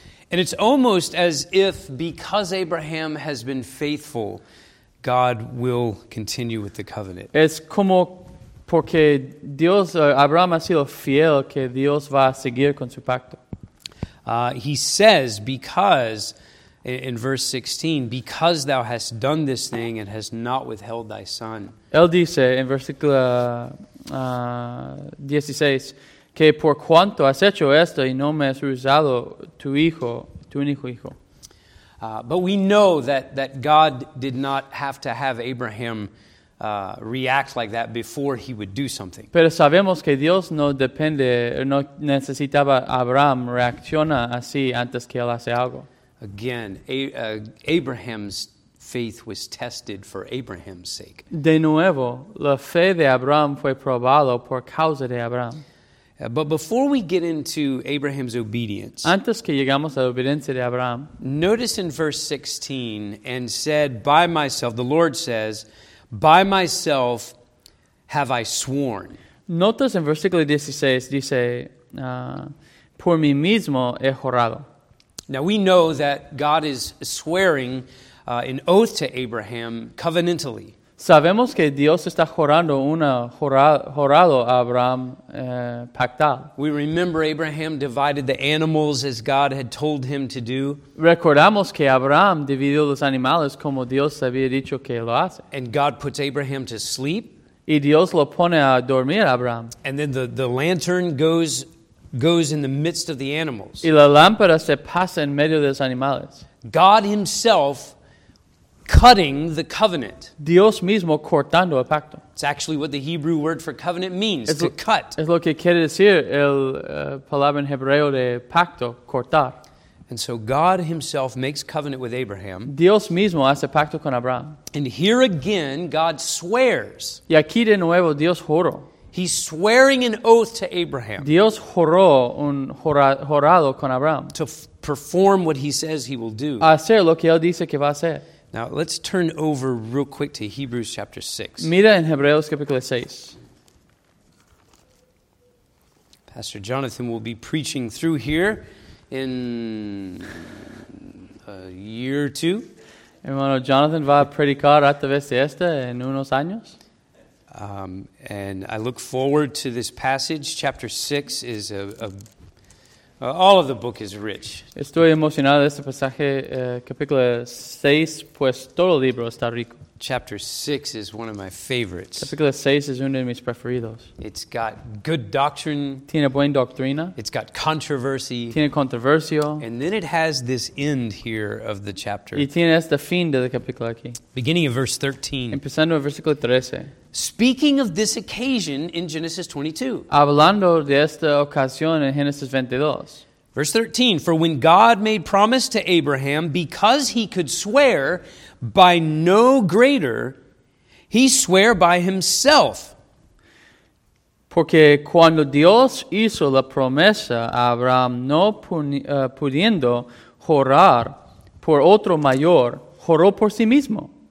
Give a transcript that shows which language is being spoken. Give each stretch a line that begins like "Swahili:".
English: And it's almost as if, because Abraham has been faithful, God will continue with the covenant.
Spanish: Es como porque Dios, Abraham ha sido fiel, que Dios va a seguir con su pacto.
English: He says, because, in verse 16, because thou hast done this thing and hast not withheld thy son.
Spanish: Él dice, en versículo 16, que por cuanto has hecho esto y no me has rehusado tu hijo, tu único hijo.
English: But we know that God did not have to have Abraham react like that before he would do something.
Spanish: Pero sabemos que Dios no depende, no necesitaba Abraham reaccionar así antes que él hace algo.
English: Again, Abraham's faith was tested for Abraham's sake.
Spanish: De nuevo, la fe de Abraham fue probado por causa de Abraham.
English: But before we get into Abraham's obedience,
Spanish: antes que llegamos a la obediencia de Abraham,
English: notice in verse 16, and said, By myself, the Lord says, By myself have I sworn.
Spanish: Notas en versículo 16, dice, por mí mismo he jurado.
English: Now we know that God is swearing an oath to Abraham covenantally.
Spanish: Sabemos que Dios está jurando jurado a Abraham pactal.
English: We remember Abraham divided the animals as God had told him to do.
Spanish: Recordamos que Abraham dividió los animales como Dios había dicho que lo hace.
English: And God puts Abraham to sleep.
Spanish: Y Dios lo pone a dormir a Abraham.
English: And then the lantern goes in the midst of the animals.
Spanish: Y la lámpara se pasa en medio de los animales.
English: God himself cutting the covenant.
Spanish: Dios mismo cortando el pacto.
English: It's actually what the Hebrew word for covenant means, cut.
Spanish: Es lo que quiere decir el palabra en hebreo de pacto, cortar.
English: And so God himself makes covenant with Abraham.
Spanish: Dios mismo hace pacto con Abraham.
English: And here again, God swears.
Spanish: Y aquí de nuevo, Dios juró.
English: He's swearing an oath to Abraham.
Spanish: Dios juró un jurado con Abraham.
English: To perform what he says he will do.
Spanish: Hacer lo que él dice que va a hacer.
English: Now let's turn over real quick to Hebrews chapter 6.
Spanish: Mira en Hebreos capítulo 6.
English: Pastor Jonathan will be preaching through here in a year or two.
Spanish: Hermano Jonathan va a predicar a través de esta en unos años.
English: And I look forward to this passage. Chapter 6 is all of the book is rich.
Spanish: Estoy emocionado de este pasaje, capítulo 6, pues todo el libro está rico.
English: Chapter 6 is one of my favorites.
Spanish: Capítulo 6 es uno de mis preferidos.
English: It's got good doctrine.
Spanish: Tiene buena doctrina.
English: It's got controversy.
Spanish: Tiene controversia.
English: And then it has this end here of the chapter.
Spanish: Y tiene este fin del capítulo aquí.
English: Beginning of verse 13.
Spanish: Empezando en versículo 13.
English: Speaking of this occasion in Genesis 22.
Spanish: Hablando de esta ocasión en Genesis 22.
English: Verse 13, for when God made promise to Abraham, because he could swear by no greater, he swore by himself.
Spanish: Porque cuando Dios hizo la promesa a Abraham, no pudiendo jurar por otro mayor, juró por sí mismo.